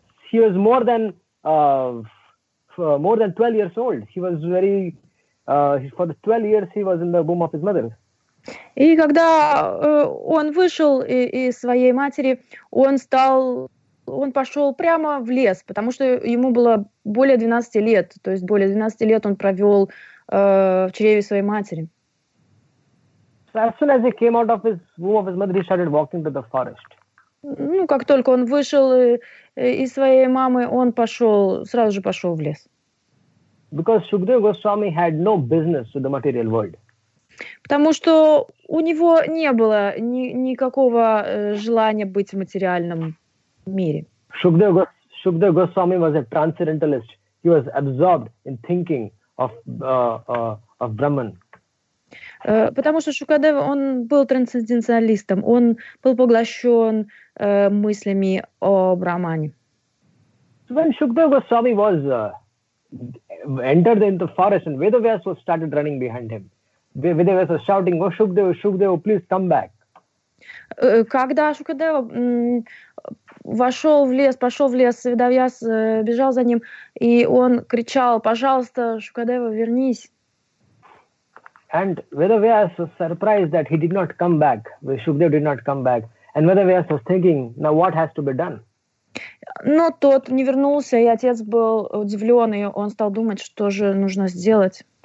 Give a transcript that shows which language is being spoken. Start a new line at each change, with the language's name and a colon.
English: He was more than 12 years old. He was very for the 12 years he was in the womb of his mother.
Russian: И когда он вышел из своей матери, он пошел прямо в лес, потому что ему было более 12 лет, то есть более 12 лет он провел в чреве своей матери.
English: As soon as he came out of his womb of his mother, he started walking to the forest.
Russian: Ну, как только он вышел из своей мамы, он сразу же пошел в лес.
English: Because Shukadeva Goswami had no business with the material world.
Russian: Потому что у него не было никакого желания быть в материальном мире.
English: Shukadeva Goswami was a transcendentalist. he was absorbed in thinking of Brahman.
Russian: Потому что Шукадева, он был трансценденциалистом, он был поглощен мыслями о Брахмане.
English: When Shukadeva Goswami was entered in the forest and Vedavyas was started running behind him. Vedavyas was shouting, "Oh Shukadeva, Shukadeva, please come back."
Russian: Когда Шукадева вошел в лес, пошел в лес, Ведавьяс бежал за ним, и он кричал, "Пожалуйста, Шукадева, вернись."
English: And Vedavyas was surprised that he did not come back. Shukadeva did not come back. And Vedavyas was thinking, now what has to be done?
Russian: Но тот не вернулся, и отец был удивлен, и он стал думать, что же нужно сделать.